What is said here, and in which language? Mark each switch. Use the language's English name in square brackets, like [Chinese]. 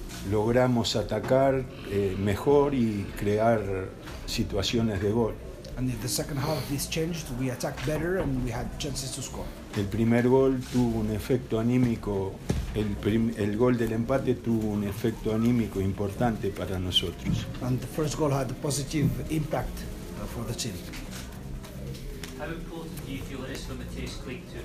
[Spanish] Logramos atacar mejor y crear situaciones de gol. [English] And in the second half this changed, we attacked better and we had chances to score. [Spanish] El primer gol tuvo un efecto anímico, el gol del empate tuvo un efecto anímico importante para nosotros. [English] And the first goal had a positive impact for the team. How important do you feel it is for Matthias Cleek to